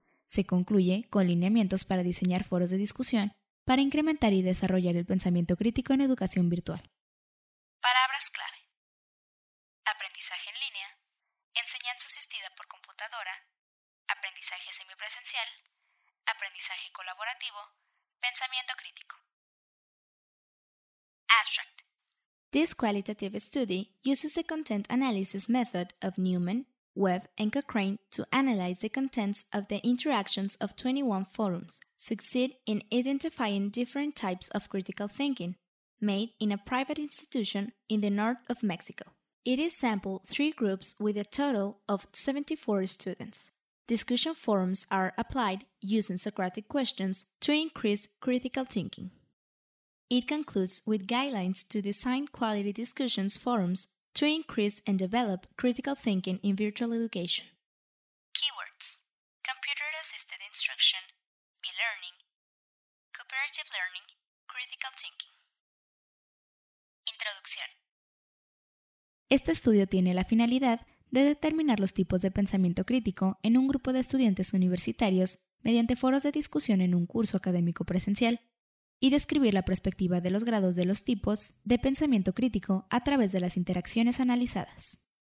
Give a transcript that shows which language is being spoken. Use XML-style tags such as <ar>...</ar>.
<es>Se concluye con lineamientos para diseñar foros de discusión para incrementar y desarrollar el pensamiento crítico en educación virtual. Palabras clave: aprendizaje en línea, enseñanza asistida por computadora, aprendizaje semipresencial, aprendizaje colaborativo, pensamiento crítico.</es> <en>Abstract. This qualitative study uses the content analysis method of Newman, Webb, and Cochrane to analyze the contents of the interactions of 21 forums, succeed in identifying different types of critical thinking, made in a private institution in the north of Mexico. It is sampled 3 groups with a total of 74 students. Discussion forums are applied using Socratic questions to increase critical thinking. It concludes with guidelines to design quality discussions forums to increase and develop critical thinking in virtual education. Keywords: computer-assisted instruction, e-learning, cooperative learning, critical thinking.</en> <es>Introducción. Este estudio tiene la finalidad de determinar los tipos de pensamiento crítico en un grupo de estudiantes universitarios mediante foros de discusión en un curso académico presencial, y describir la perspectiva de los grados de los tipos de pensamiento crítico a través de las interacciones analizadas.</es>